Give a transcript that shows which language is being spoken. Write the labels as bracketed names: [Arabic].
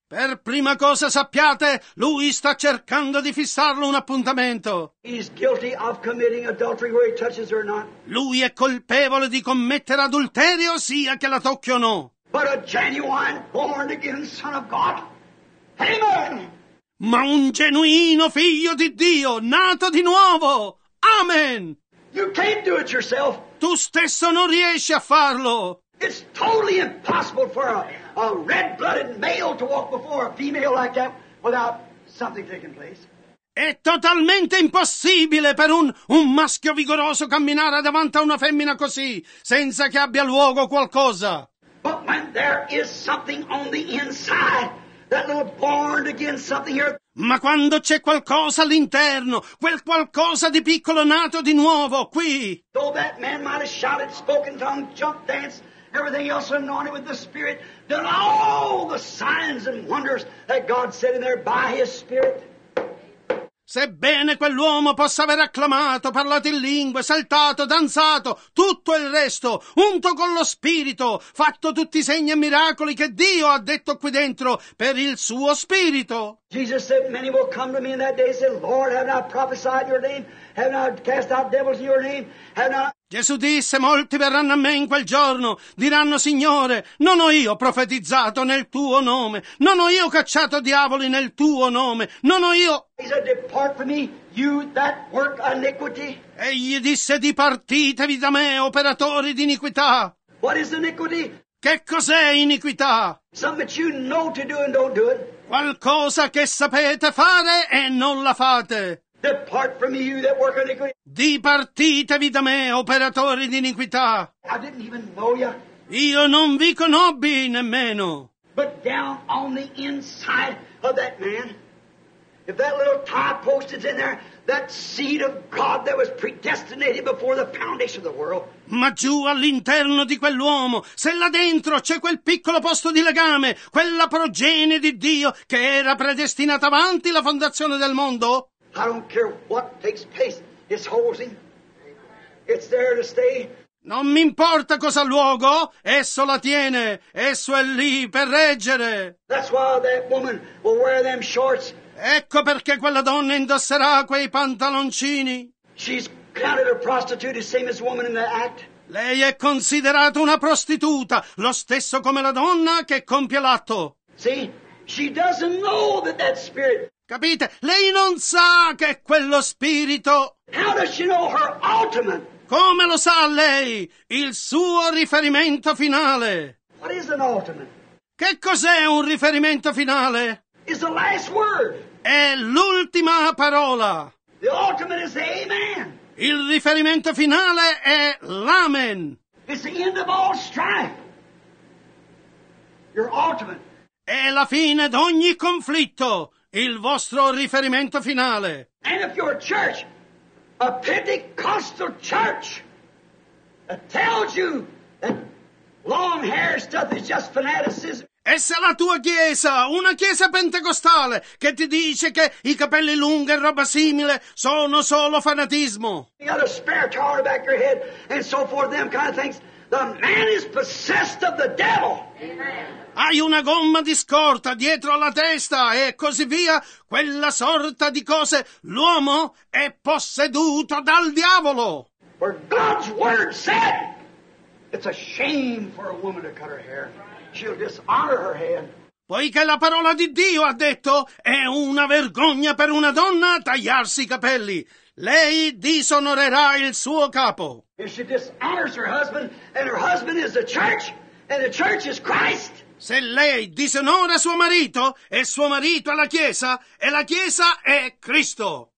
[Italian] Per prima cosa sappiate, lui sta cercando di fissarlo un appuntamento. [English] He's guilty of committing adultery where he touches her not. [Italian] Lui è colpevole di commettere adulterio, sia che la tocchi o no. [English] But a genuine born again son of God. Amen. [Italian] Ma un genuino figlio di Dio, nato di nuovo. Amen. [English] You can't do it yourself. [Italian] Tu stesso non riesci a farlo. [English] It's totally impossible for a red-blooded male to walk before a female like that without something taking place. [Italian] È totalmente impossibile per un maschio vigoroso camminare davanti a una femmina così, senza che abbia luogo qualcosa. [English] But when there is something on the inside, that little born again something here. [Italian] Ma quando c'è qualcosa all'interno, quel qualcosa di piccolo nato di nuovo qui. [English] Though that man might have shouted, spoken tongue, jumped, danced, everything else anointed with the Spirit, done all the signs and wonders that God said in there by His Spirit. [Italian] Sebbene quell'uomo possa aver acclamato, parlato in lingue, saltato, danzato, tutto il resto, unto con lo Spirito, fatto tutti i segni e miracoli che Dio ha detto qui dentro per il suo Spirito. [English] Jesus said many will come to me in that day and say, Lord, have not prophesied your name? Have not cast out devils in your name? Have not... [Italian] Gesù disse, molti verranno a me in quel giorno, diranno, Signore, non ho io profetizzato nel tuo nome, non ho io cacciato diavoli nel tuo nome, non ho io... [English] Depart from me, you that work iniquity. [Italian] Egli disse, dipartitevi da me, operatori di iniquità. [English] What is iniquity? [Italian] Che cos'è iniquità? [English] Something that you know to do and don't do it. [Italian] Qualcosa che sapete fare e non la fate. [English] Depart from me, you that work iniquity. [Italian] Dipartitevi da me, operatori di iniquità. [English] I didn't even know you. [Italian] Io non vi conobbi nemmeno. [English] But down on the inside of that man, if that little tie post is in there, that seed of God that was predestinated before the foundation of the world. [Italian] Ma giù all'interno di quell'uomo, se là dentro c'è quel piccolo posto di legame, quella progenie di Dio che era predestinata avanti la fondazione del mondo. [English] I don't care what takes place. It's holding. It's there to stay. [Italian] Non mi importa cosa luogo, esso la tiene. Esso è lì per reggere. [English] That's why that woman will wear them shorts. [Italian] Ecco perché quella donna indosserà quei pantaloncini. [English] She's counted a prostitute the same as woman in the act. [Italian] Lei è considerata una prostituta, lo stesso come la donna che compie l'atto. [English] See, she doesn't know that that spirit. [Italian] Capite? Lei non sa che quello spirito. [English] How does she know her ultimate? [Italian] Come lo sa lei? Il suo riferimento finale. [English] What is an ultimate? [Italian] Che cos'è un riferimento finale? [English] Is the last word. [Italian] È l'ultima parola. [English] The ultimate is the amen. [Italian] Il riferimento finale è l'amen. [English] It's the end of all strife. Your ultimate. [Italian] È la fine d'ogni conflitto. Il vostro riferimento finale. [English] And if your church, a Pentecostal church, tells you that long hair stuff is just fanaticism. [Italian] E se la tua chiesa, una chiesa pentecostale, che ti dice che i capelli lunghi e roba simile sono solo fanatismo. [English] You got a spare tar back your head and so forth, them kind of things. The man is possessed of the devil. Amen. [Italian] Hai una gomma di scorta dietro alla testa e così via, quella sorta di cose, l'uomo è posseduto dal diavolo. [English] For God's word said, it's a shame for a woman to cut her hair. She'll dishonor her head. [Italian] Poiché la parola di Dio ha detto, è una vergogna per una donna tagliarsi i capelli. Lei disonorerà il suo capo. [English] If she dishonors her husband, and her husband is the church, and the church is Christ. [Italian] Se lei disonora suo marito, e suo marito è la Chiesa, e la Chiesa è Cristo.